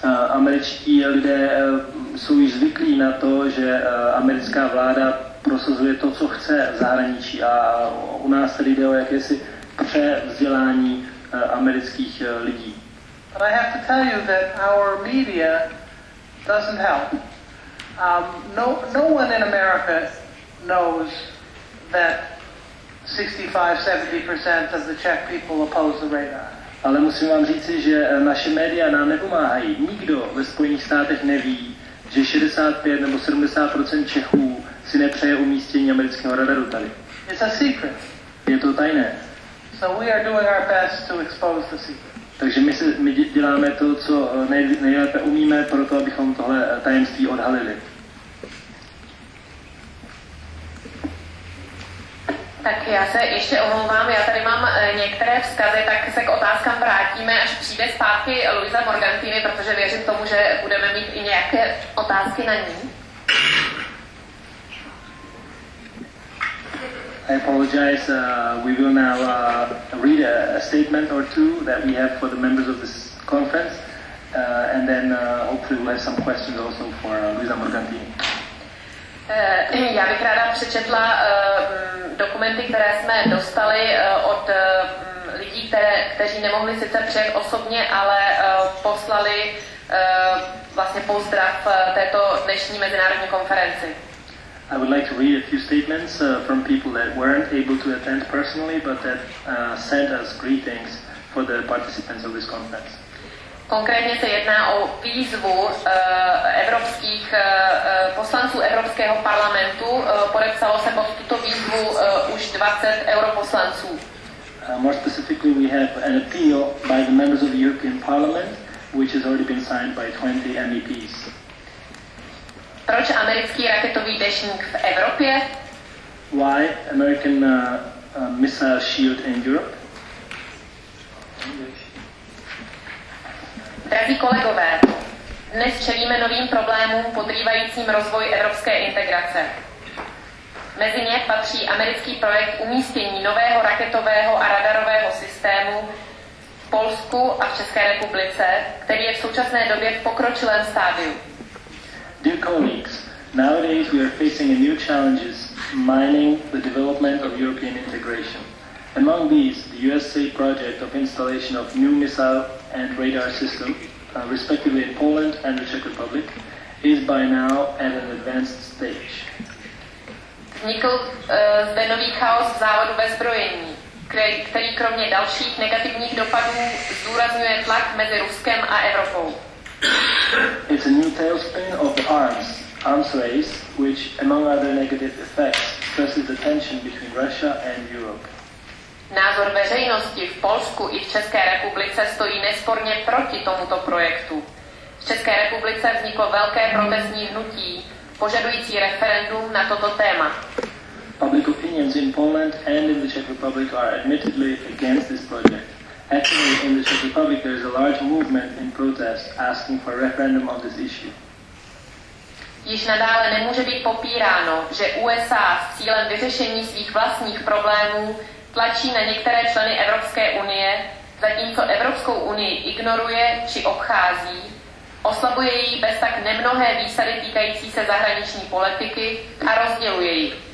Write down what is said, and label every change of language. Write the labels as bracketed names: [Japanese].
[Czech] Američtí lidé jsou již zvyklí na to, že americká vláda prosazuje to, co chce v zahraničí. A u nás tady jde o jakési převzdělání amerických lidí. [English] But I have to tell you that our media doesn't help. No one in America knows that 65-70% of the Czech people oppose the radar. [Czech] Ale musím vám říci, že naše média nám nepomáhají. Nikdo ve Spojených státech neví, že 65 nebo 70% Čechů si nepřeje umístění amerického radaru tady. [English] It's a secret. [Czech] Je to tajné. [English] So we are doing our best to expose the secret. [Czech] Takže my děláme to, co nejlépe umíme, pro to, abychom tohle tajemství odhalili. Tak já se ještě omlouvám, já tady mám některé vzkazy, tak se k otázkám vrátíme, až přijde zpátky Luisa Morgantini, protože věřím tomu, že budeme mít i nějaké otázky na ní. [English] I apologize, we will now read a statement or two that we have for the members of this conference, and then hopefully we'll have some questions also for Luisa Morgantini. [Czech] Já bych ráda přečetla dokumenty, které jsme dostali od lidí, kteří nemohli sice přijet osobně, ale poslali vlastně pozdrav této dnešní mezinárodní konferenci. [English] I would like to read a few statements from people that weren't able to attend personally, but that sent us greetings for the participants of this conference. [Czech] Konkrétně se jedná o výzvu evropských poslanců Evropského parlamentu. Podepsalo se pod tuto výzvu už 20 europoslanců. [English] More specifically, we have an appeal by the members of the European Parliament, which has already been signed by 20 MEPs. [Czech] Proč americký raketový deštník v Evropě? [English] Why American missile shield in Europe? [Czech] Drazí kolegové, dnes čelíme novým problémům podrývajícím rozvoj evropské integrace. Mezi ně patří americký projekt umístění nového raketového a radarového systému v Polsku a v České republice, který je v současné době v pokročilém stádiu. [English] Dear colleagues, nowadays we are facing a new challenges mining the development of European integration. Among these, the USA project of installation of new missile and radar system, respectively in Poland and the Czech Republic, is by now at an advanced stage. [Czech] Vznikl zde nový chaos v závodu ve zbrojení, který kromě dalších negativních dopadů zdůrazňuje tlak mezi Ruskem a Evropou. [English] It's a new tailspin of the arms race, which, among other negative effects, stresses the tension between Russia and Europe. [Czech] Názor veřejnosti v Polsku i v České republice stojí nesporně proti tomuto projektu. V České republice vzniklo velké protestní hnutí, požadující referendum na toto téma. [English] Public opinions in Poland and in the Czech Republic are admittedly against this project. Actually, in the Czech Republic, there is a large movement in protest asking for a referendum on this issue. [Czech] Již nadále nemůže být popíráno, že USA s cílem vyřešení svých vlastních problémů tlačí na některé členy Evropské unie, zatímco Evropskou unii ignoruje či obchází, oslabuje ji bez tak nemnohé výsady týkající se zahraniční politiky a rozděluje ji.